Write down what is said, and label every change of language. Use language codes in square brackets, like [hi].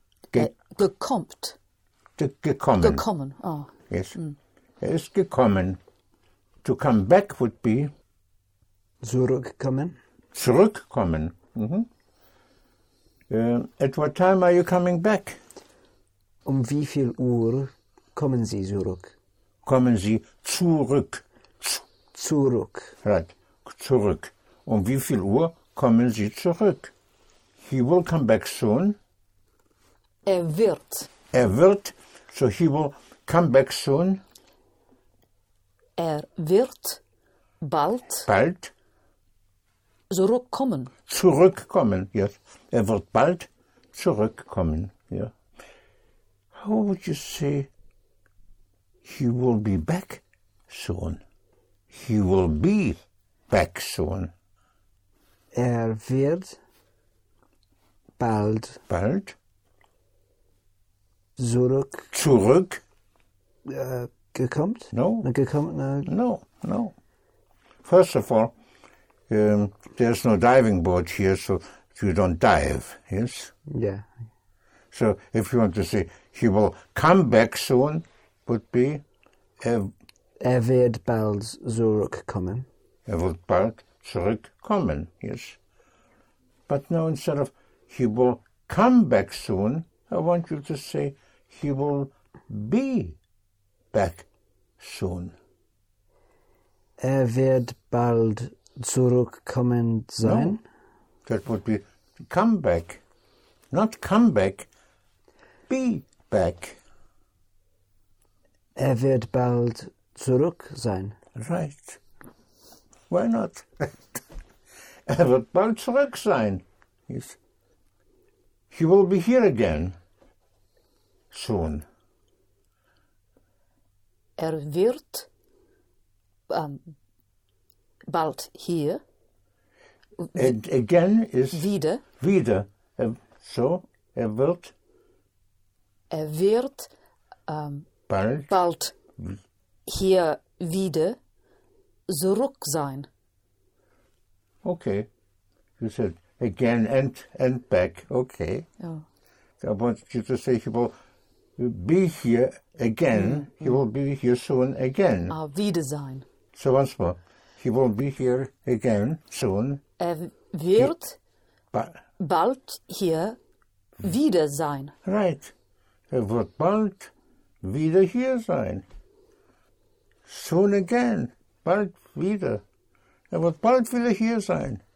[de] gekommt. Gekommen. Gekommen. Oh. [en] Yes. Mm. [de] Er ist gekommen. [en] To come back would be [de] zurückkommen. Zurückkommen. Mm-hmm. [en] At what time are you coming back? [de] Um wie viel Uhr kommen Sie zurück? Kommen Sie zurück. Zurück. Right. Zurück. Um wie viel Uhr kommen Sie zurück? [en] He will come back soon. [de] Er wird. Er wird. [en] So he will come back soon. [de] Er wird bald. Bald. Zurückkommen. Zurückkommen, yes. Er wird bald zurückkommen, yeah. [en] How would you say he will be back soon? He will be back soon. [de] Er wird bald. Bald. Zurück. Zurück. Gekommt? [en] No. [de] Gekommen? [en] No, no. First of all, there's no diving board here, so you don't dive, yes? Yeah. So if you want to say he will come back soon, would be? [de] Er wird bald zurückkommen. Er wird bald zurückkommen, yes. [en] But now instead of he will come back soon, I want you to say he will be back soon. [de] Er wird bald zurückkommen sein? [en] No, that would be come back. Not come back, be back. [de] Er wird bald zurück sein. [en] Right. Why not? [de] Er wird bald zurück sein. [en] Yes. He will be here again. Soon. [de] Er wird bald hier. [en] Again is [de] wieder. Wieder. So, er wird. Er wird bald hier wieder zurück sein. [en] Okay. You said again and back. Okay. Oh. So I want you to say he will be here again. Mm-hmm. He will be here soon again. [de] Wiedersehen. [en] So once more. He will be here again soon. [de] Er wird bald hier wieder sein. [en] Right. [de] Er wird bald wieder hier sein. [en] Soon again. [de] Bald wieder. Er wird bald wieder hier sein.